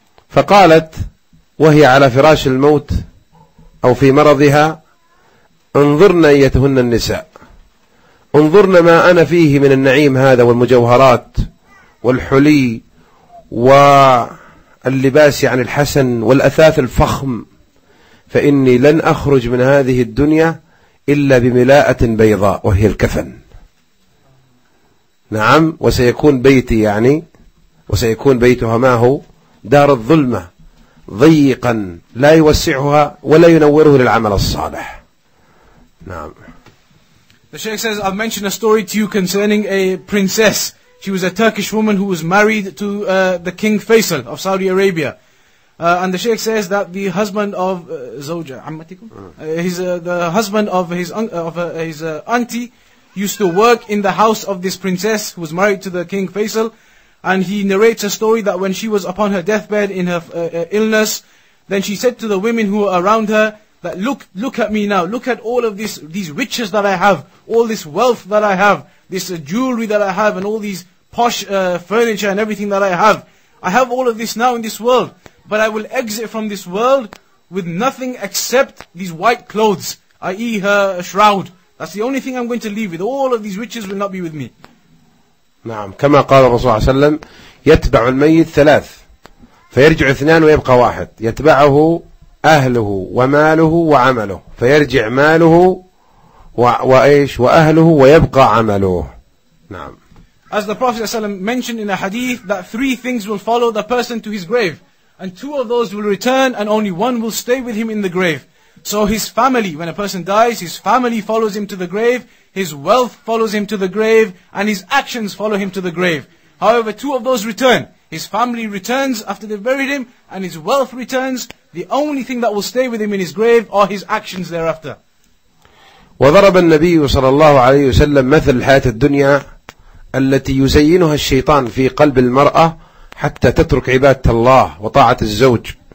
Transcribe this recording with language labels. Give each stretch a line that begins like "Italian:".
Arabic: فقالت وهي على فراش الموت أو في مرضها, انظرنا أيتهن النساء, انظرنا ما أنا فيه من النعيم هذا والمجوهرات والحلي واللباس يعني الحسن والأثاث الفخم, فإني لن أخرج من هذه الدنيا إلا بملاءة بيضاء وهي الكفن. نعم, وسيكون بيتي يعني وسيكون بيتها ما هو دار الظلمة ضيقا لا يوسعها ولا ينوره للعمل الصالح. نعم.
English: The Sheikh says, I've mentioned a story to you concerning a princess. She was a Turkish woman who was married to the King Faisal of Saudi Arabia. And the Sheikh says that the husband of Zawja, Ammatikum, the husband of his auntie used to work in the house of this princess who was married to the King Faisal. And he narrates a story that when she was upon her deathbed in her illness, then she said to the women who were around her, that look at me now, look at all of these riches that I have, all this wealth that I have, this jewelry that I have, and all these posh furniture and everything that I have. I have all of this now in this world, but I will exit from this world with nothing except these white clothes, i.e. her shroud. That's the only thing I'm going to leave with. All of these riches will not be with me.
Arabic: نعم كما قال الرسول صلى الله عليه وسلم يتبع الميت ثلاث فيرجع اثنان ويبقى واحد يتبعه أهله وماله وعمله فيرجع ماله وإيش وأهله ويبقى عمله نعم.
English: As the Prophet
Arabic: صلى الله عليه وسلم
English: mentioned in a hadith that three things will follow the person to his grave and two of those will return and only one will stay with him in the grave. So his family, when a person dies, his family follows him to the grave, his wealth follows him to the grave, and his actions follow him to the grave. However, two of those return. His family returns after they've buried him, and his wealth returns. The only thing that will stay with him in his grave are his actions thereafter.
Arabic: وضرب النبي صلى الله عليه وسلم مثل الحياة الدنيا التي يزينها الشيطان في قلب المرأة حتى تترك عبادة الله وطاعة الزوج.